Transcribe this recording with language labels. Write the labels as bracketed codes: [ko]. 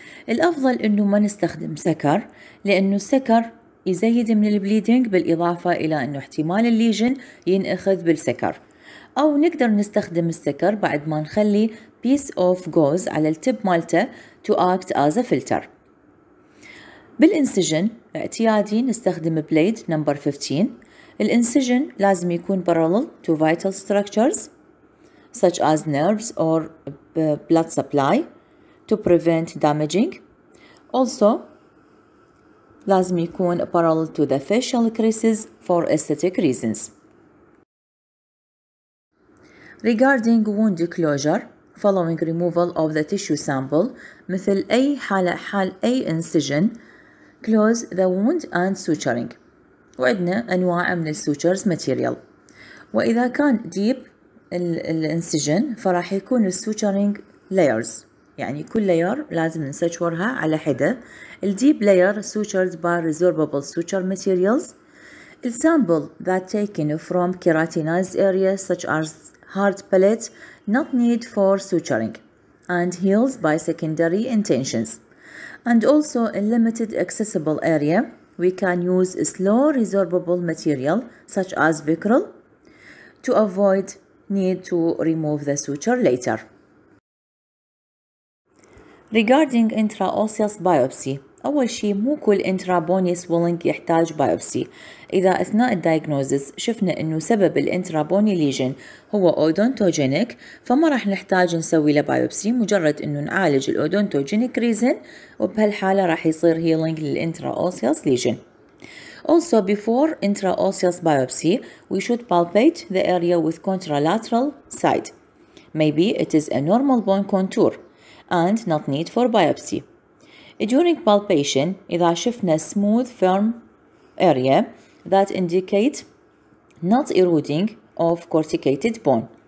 [ar] الأفضل أنه ما نستخدم سكر لأنه السكر يزيد من البليدينج بالإضافة إلى أنه احتمال الليجن ينأخذ بالسكر. أو نقدر نستخدم السكر بعد ما نخلي [en] piece of gauze [ar] على التب مالته [en] to act as a filter. [ar] بالإنسجن اعتيادي نستخدم بليد نمبر 15. [en] الإنسجن [ar] لازم يكون [en] parallel to vital structures such as nerves or blood supply to prevent damaging. Also [ar] لازم يكون [en] parallel to the facial creases for aesthetic reasons. Regarding wound closure following removal of the tissue sample [ar] مثل أي حالة حال أي إنسجن، [en] close the wound and suturing. [ar] وعندنا أنواع من السوتشرز ماتيريال. وإذا كان deep الانسجن فراح يكون السوتشرينج layers، يعني كل layer لازم نسجورها على حدة. [en] الديب layer sutured by resorbable suture materials. The sample that taken from keratinized area such as heart palate not need for suturing and heals by secondary intentions. And also in limited accessible area, we can use slow resorbable material such as Vicryl to avoid need to remove the suture later. Regarding intraosseous biopsy, [ar] أول شيء مو كل [en] intrabony swelling [ar] يحتاج [en] biopsy. [ar] إذا أثناء الدياجنوزيس شفنا إنه سبب الانترابوني ليجن هو odontogenic فما راح نحتاج نسوي له biopsy، مجرد إنه نعالج الodontogenic reason وبهالحالة راح يصير healing للintraosseous ليجن. [en] Also before intraosseous biopsy we should palpate the area with contralateral side. Maybe it is a normal bone contour and not need for biopsy. During palpation, [ar] إذا شفنا [en] smooth firm area that indicate not eroding of corticated bone.